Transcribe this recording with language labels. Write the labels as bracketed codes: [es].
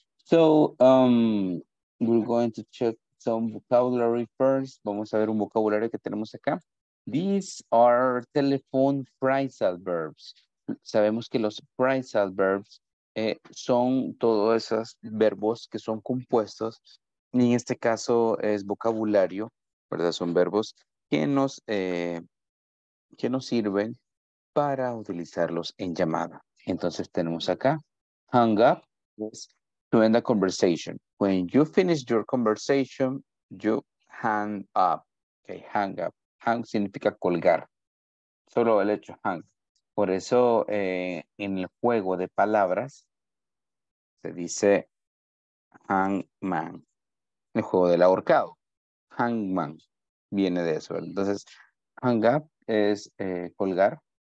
[en] So, we're going to check some vocabulary first. [es] Vamos a ver un vocabulario que tenemos acá. [en] These are telephone phrasal verbs. [es] Sabemos que los phrasal verbs son todos esos verbos que son compuestos. Y en este caso es vocabulario, ¿verdad? Son verbos que nos sirven para utilizarlos en llamada. Entonces tenemos acá, hang up, [en] to end a conversation. When you finish your conversation, you hang up. [es] Okay, hang up. Hang significa colgar. Solo el hecho hang. Por eso, en el juego de palabras, se dice hangman. El juego del ahorcado. Hangman viene de eso. Entonces, hang up es colgar.